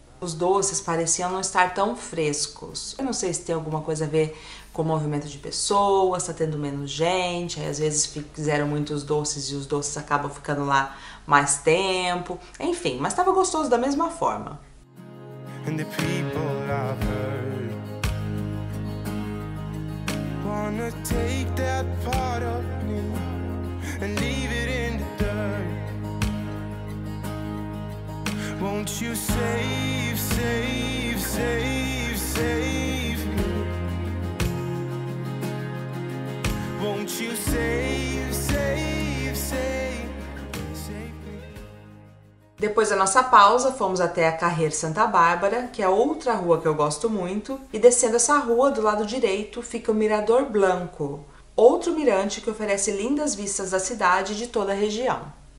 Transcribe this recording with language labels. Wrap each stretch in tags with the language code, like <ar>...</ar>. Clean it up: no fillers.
<pt>Os doces pareciam não estar tão frescos. Eu não sei se tem alguma coisa a ver com o movimento de pessoas, está tendo menos gente, aí às vezes fizeram muitos doces e os doces acabam ficando lá mais tempo. Enfim, mas estava gostoso da mesma forma.</pt> <en>And the people I've heard. Wanna take that part of me and leave it in the dirt. Won't you save, save, save, save me? Won't you save, save, save, save me?</en> <pt>Depois da nossa pausa, fomos até a Carrer Santa Bárbara, que é outra rua que eu gosto muito, e descendo essa rua, do lado direito, fica o Mirador Blanco, outro mirante que oferece lindas vistas da cidade e de toda a região.</pt>